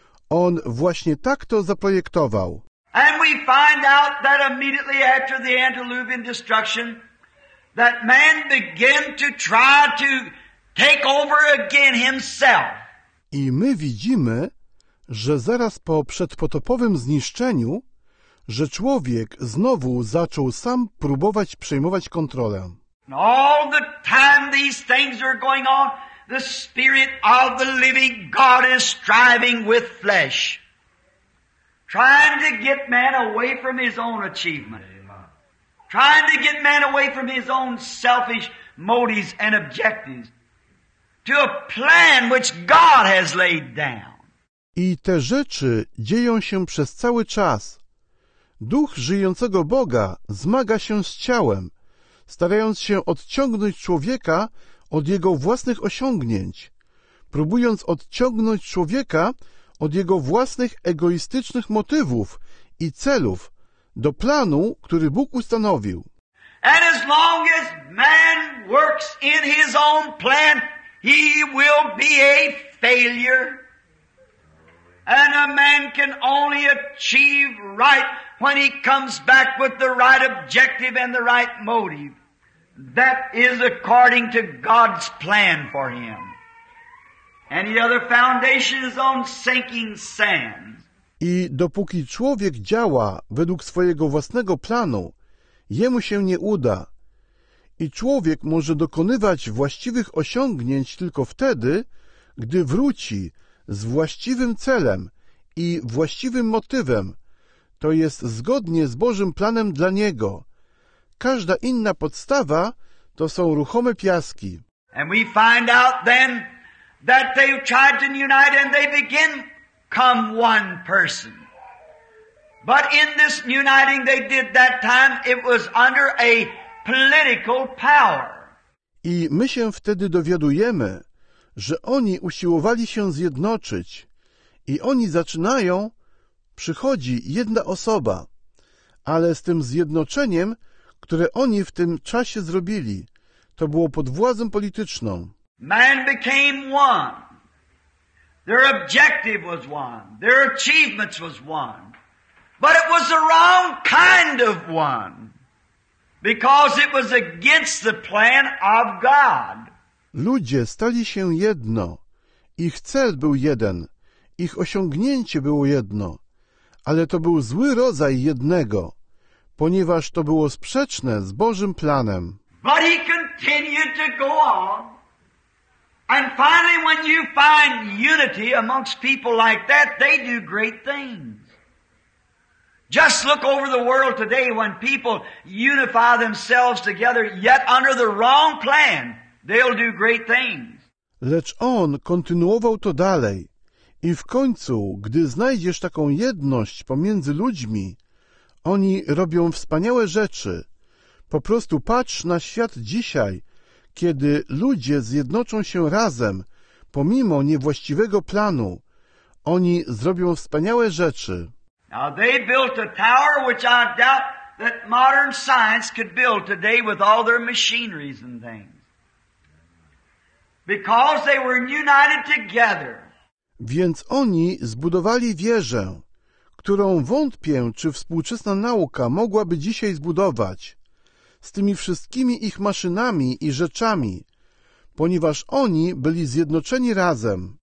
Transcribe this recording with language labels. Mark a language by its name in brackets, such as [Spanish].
[Polish] On właśnie tak to zaprojektował. [English] And we find out that immediately after the antediluvian destruction, that man began to try to take over again himself. [Polish] I my widzimy, że zaraz po przedpotopowym zniszczeniu, że człowiek znowu zaczął sam próbować przejmować kontrolę. [English] All the time these things are going on, the spirit of the living God is striving with flesh, trying to get man away from his own achievement. trying to get man away from his own selfish motives and objectives to a plan which God has laid down. [Polish] I te rzeczy dzieją się przez cały czas. Duch żyjącego Boga zmaga się z ciałem, starając się odciągnąć człowieka od jego własnych osiągnięć, próbując odciągnąć człowieka od jego własnych egoistycznych motywów i celów do planu, który Bóg ustanowił. [English] And as long as man works in his own plan, he will be a failure. And a man can only achieve right when he comes back with the right objective and the right motive. That is according to God's plan for him. Any other foundation is on sinking sand. [Polish] I dopóki człowiek działa według swojego własnego planu, jemu się nie uda. I człowiek może dokonywać właściwych osiągnięć tylko wtedy, gdy wróci z właściwym celem i właściwym motywem, to jest zgodnie z Bożym planem dla niego. Każda inna podstawa to są ruchome piaski. [English] And we find out then that they tried to unite and they begin come one person. But in this uniting they did that time, it was under a political power. [Polish] I my się wtedy dowiadujemy, że oni usiłowali się zjednoczyć i oni zaczynają, przychodzi jedna osoba, ale z tym zjednoczeniem, które oni w tym czasie zrobili, to było pod władzą polityczną. [English] Man became one. Their objective was one. Their achievements was one. But it was the wrong kind of one. Because it was against the plan of God. [Polish] Ludzie stali się jedno. Ich cel był jeden. Ich osiągnięcie było jedno. Ale to był zły rodzaj jednego, ponieważ to było sprzeczne z Bożym planem. [English] But he continued to go on. And finally, when you find unity amongst people like that, they do great things. Just look over the world today when people unify themselves together, yet under the wrong plan, they'll do great things. [Polish] Lecz on kontynuował to dalej. I w końcu, gdy znajdziesz taką jedność pomiędzy ludźmi, oni robią wspaniałe rzeczy. Po prostu patrz na świat dzisiaj, kiedy ludzie zjednoczą się razem, pomimo niewłaściwego planu, oni zrobią wspaniałe rzeczy. [English] Now they built a tower which I doubt that modern science could build today with all their machineries and things. Because they were united together. [Polish] Więc oni zbudowali wieżę, którą wątpię, czy współczesna nauka mogłaby dzisiaj zbudować, z tymi wszystkimi ich maszynami i rzeczami, ponieważ oni byli zjednoczeni razem.